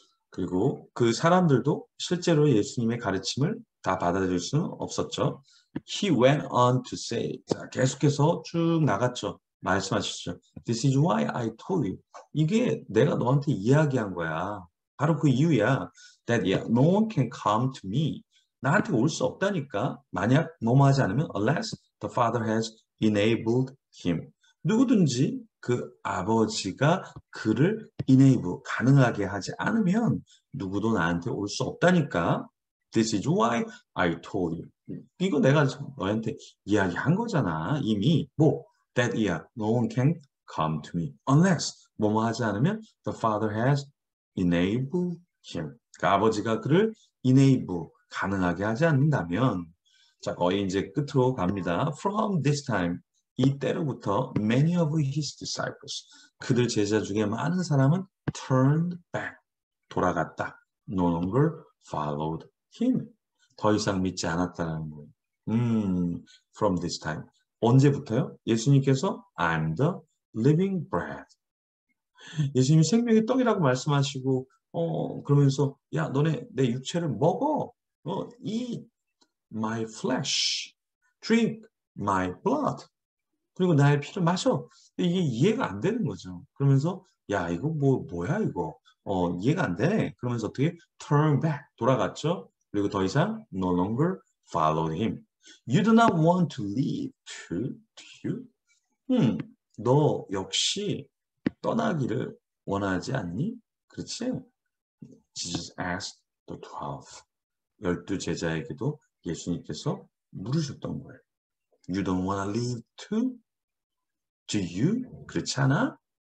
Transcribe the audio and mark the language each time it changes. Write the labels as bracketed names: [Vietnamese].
[Korean] 그리고 그 사람들도 실제로 예수님의 가르침을 다 받아들일 수는 없었죠. [English] He went on to say. [Korean] 자, 계속해서 쭉 나갔죠. 말씀하시죠. [English] This is why I told you. [Korean] 이게 내가 너한테 이야기한 거야. 바로 그 이유야. [English] That yeah, no one can come to me. [Korean] 나한테 올수 없다니까. 만약 뭐뭐 하지 않으면 [English] unless the father has enabled him. [Korean] 누구든지 그 아버지가 그를 enable, 가능하게 하지 않으면 누구도 나한테 올수 없다니까. [English] This is why I told you. [Korean] 이거 내가 너한테 이야기한 거잖아. 이미. 뭐? [English] That yeah, no one can come to me unless [Korean] 뭐뭐 하지 않으면 [English] the father has enabled him. [Korean] 그러니까 아버지가 그를 enable 가능하게 하지 않는다면 자 거의 이제 끝으로 갑니다. [English] From this time [Korean] 이때로부터 [English] many of his disciples [Korean] 그들 제자 중에 많은 사람은 [English] turned back [Korean] 돌아갔다. [English] No longer followed him. [Korean] 더 이상 믿지 않았다는 거예요. From this time. 언제부터요? 예수님께서 [English] I'm the living bread. [Korean] 예수님이 생명의 떡이라고 말씀하시고, 그러면서 야, 너네 내 육체를 먹어. [English] Eat my flesh. Drink my blood. [Korean] 그리고 나의 피를 마셔. 이게 이해가 안 되는 거죠. 그러면서, 야, 이거 뭐야, 이거. 이해가 안 되네. 그러면서 어떻게? [English] Turn back. [Korean] 돌아갔죠. 그리고 더 이상, [English] no longer follow him. You do not want to leave, do you? [Korean] 너 역시 떠나기를 원하지 않니? 그렇지? [English] Jesus asked the 12. [Korean] 12 제자에게도 예수님께서 물으셨던 거예요. [English] You don't want to leave too? Do you? [Korean] 그렇지 않아?